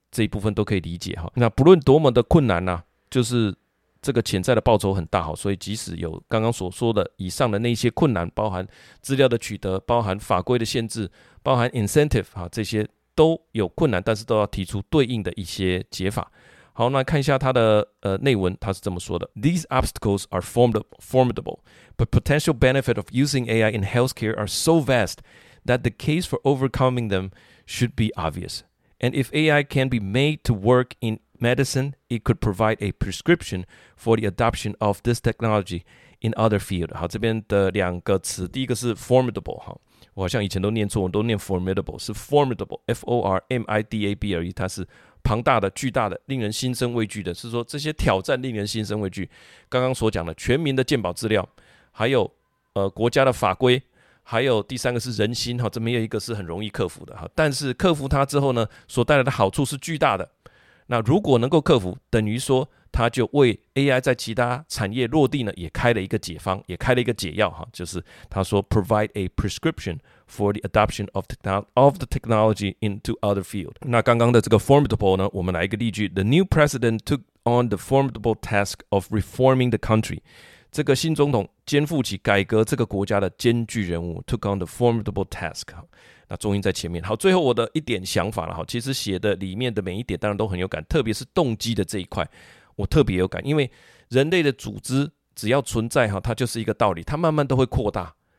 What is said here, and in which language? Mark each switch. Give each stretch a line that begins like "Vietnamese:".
Chinese: 这一部分都可以理解。那不论多么的困难啊，就是这个潜在的报酬很大，所以即使有刚刚所说的以上的那些困难，包含资料的取得，包含法规的限制，包含 incentive， 这些都有困难，但是都要提出对应的一些解法。好，那看一下他的内文，他是这么说的，
English: These obstacles are formidable, but potential benefit of using AI in healthcare are so vast that the case for overcoming them should be obvious. And if AI can be made to work in medicine, it could provide a prescription for the adoption of this technology in other fields.
Chinese: 好，这边的两个词，第一个是 formidable， 好，我好像以前都念错，我都念 formidable， 是 formidable， F-O-R-M-I-D-A-B-L-E， 它是庞大的、巨大的、令人心生畏惧的，是说这些挑战令人心生畏惧。刚刚所讲的全民的健保资料，还有国家的法规。还有第三个是人心，这没有一个是很容易克服的，但是克服它之后呢，所带来的好处是巨大的。那如果能够克服，等于说它就为 AI 在其他产业落地呢，也开了一个解方，也开了一个解药，就是他说
English: provide a prescription for the adoption of the technology into other field。
Chinese: 那刚刚的这个 formidable 呢，我们来一个例句，
English: The new president took on the formidable task of reforming the country。
Chinese: 这个新总统肩负起改革这个国家的艰巨任务 ，
English: took on the formidable task。
Chinese: 那重音在前面。好，最后我的一点想法了，其实写的里面的每一点当然都很有感，特别是动机的这一块，我特别有感，因为人类的组织只要存在，它就是一个道理，它慢慢都会扩大。